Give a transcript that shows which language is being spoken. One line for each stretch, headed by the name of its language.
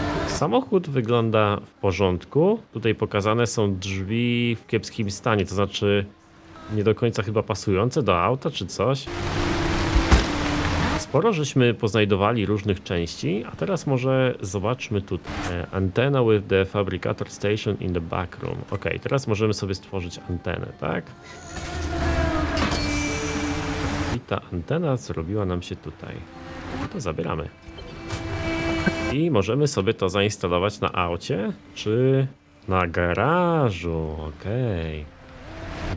Polish: Samochód wygląda w porządku. Tutaj pokazane są drzwi w kiepskim stanie, to znaczy nie do końca chyba pasujące do auta czy coś. Sporo żeśmy poznajdowali różnych części, a teraz może zobaczmy tutaj.
English: Antenna with the fabricator station in the back room.
Polish: Ok, teraz możemy sobie stworzyć antenę, tak? I ta antena zrobiła nam się tutaj. No to zabieramy. I możemy sobie to zainstalować na aucie, czy na garażu, okej. Okay.